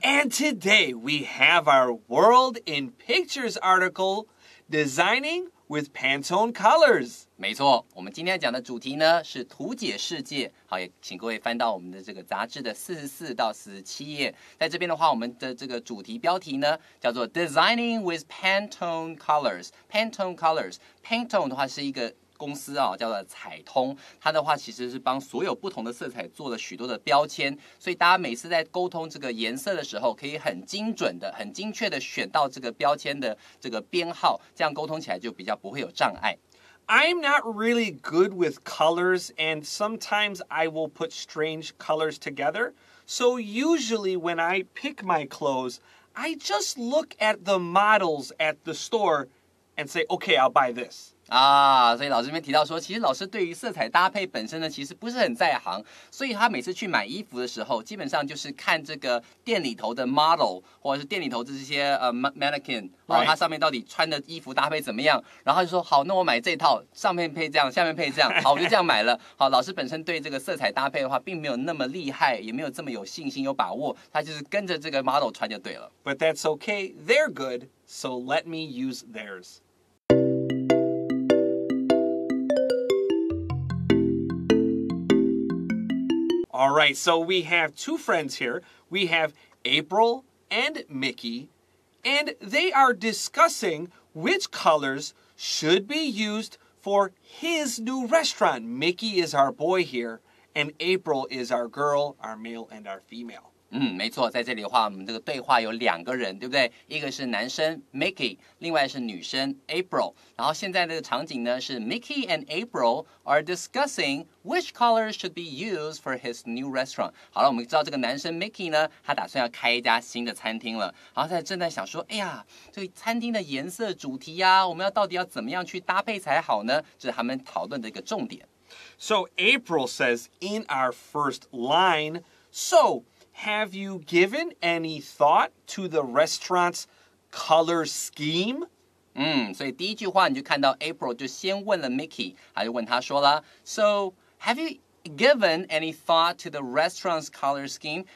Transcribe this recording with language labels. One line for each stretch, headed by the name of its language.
English: And today we have our World in Pictures article, Designing with Pantone Colors.
Chinese: 没错，我们今天讲的主题呢是图解世界。好，也请各位翻到我们的这个杂志的44到47页。在这边的话，我们的这个主题标题呢叫做
English: Designing with Pantone Colors. Pantone Colors.
Chinese: Pantone 的话是一个公司啊，叫做彩通，它的话其实是帮所有不同的色彩做了许多的标签，所以大家每次在沟通这个颜色的时候，可以很精准的、很精确的选到这个标签的这个编号，这样沟通起来就比较不会有障碍。
English: I'm not really good with colors, and sometimes I will put strange colors together. So usually when I pick my clothes, I just look at the models at the store and say, okay, I'll buy this.
Chinese: 啊，所以老师这边提到说，其实老师对于色彩搭配本身呢，其实不是很在行，所以他每次去买衣服的时候，基本上就是看这个店里头的 model， 或者是店里头的这些mannequin，然后他上面到底穿的衣服搭配怎么样，然后就说好，那我买这套，上面配这样，下面配这样，好，我就这样买了。好，老师本身对这个色彩搭配的话，并没有那么厉害，也没有这么有信心、有把握，他就是跟着这个 model 穿就对了。
English: But that's okay, they're good, so let me use theirs. All right, so we have two friends here. We have April and Mickey, and they are discussing which colors should be used for his new restaurant. Mickey is our boy here, and April is our girl, our male and our female.
Chinese: 嗯，没错，在这里的话，我们这个对话有两个人，对不对？一个是男生 Mickey， 另外是女生 April。然后现在的场景呢是
English: Mickey and April are discussing which colors should be used for his new restaurant。
Chinese: 好了，我们知道这个男生 Mickey 呢，他打算要开一家新的餐厅了。然后他正在想说，哎呀，这个餐厅的颜色主题呀，我们要到底要怎么样去搭配才好呢？这是他们讨论的一个重点。
English: So April says in our first line, so. Have you given any thought to the restaurant's color scheme?
Chinese: 所以第一句话你就看到 April 就先问了 Mickey， 他就问他说了 ，
English: So have you given any thought to the restaurant's color scheme?